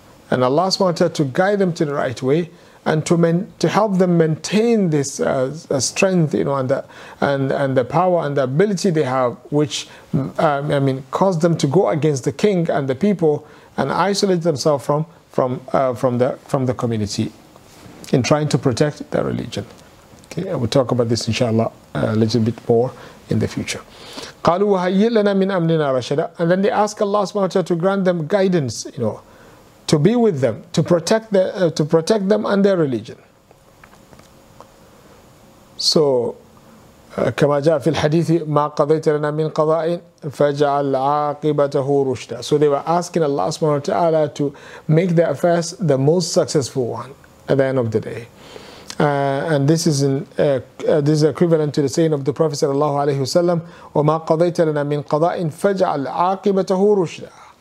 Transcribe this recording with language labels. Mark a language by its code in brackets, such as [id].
[en] And Allah subhanahu wa ta'ala to guide them to the right way, and to help them maintain this strength, you know, and the power and the ability they have, which caused them to go against the king and the people and isolate themselves from the community in trying to protect their religion. Okay, and we'll talk about this inshallah a little bit more in the future. [ar] قَالُوا وَهَيِّئْ لَنَا مِنْ أَمْرِنَا رَشَدًا. [en] And then they ask Allah subhanahu wa ta'ala to grant them guidance, you know, to be with them, to protect them and their religion. [ar] So, كما جاء في الحديث ما قضيت لنا من قضاء فجعل عاقبته رشدا. [en] So they were asking Allah subhanahu wa ta'ala to make their affairs the most successful one at the end of the day. And this is this is equivalent to the saying of the Prophet sallallahu alaihi wasallam, [ar] وما قضيت لنا من قضاء فجعل عاقبته رشدا.